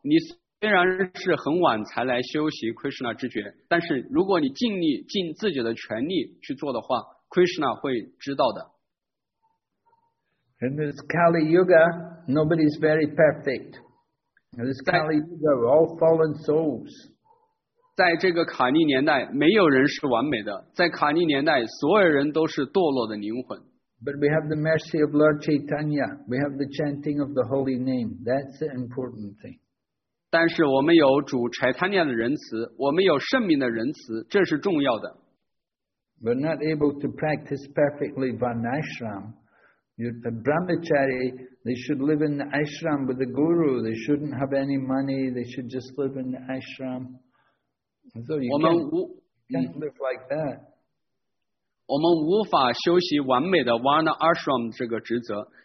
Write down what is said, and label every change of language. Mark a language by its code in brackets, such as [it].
[zh] 你虽然是很晚才来修习 Krishna 知觉，但是如果你尽力尽自己的全力去做的话， Krishna 会知道的。 [en] In this Kali Yuga, nobody is very perfect. In this Kali Yuga, we're all fallen souls. [zh] 在这个卡利年代，没有人是完美的。在卡利年代，所有人都是堕落的灵魂。 [en] But we have the mercy of Lord Chaitanya. We have the chanting of the holy name. That's the important thing. [zh] 但是我们有主柴坦尼亚的仁慈，我们有圣名的仁慈，这是重要的。 [en] We're not able to practice perfectly Varnashram. The Brahmachari, they should live in the ashram with the guru. They shouldn't have any money. They should just live in the ashram. So you can't live like that. [zh] 我们无法修习完美的 Varna Ashram 这个职责。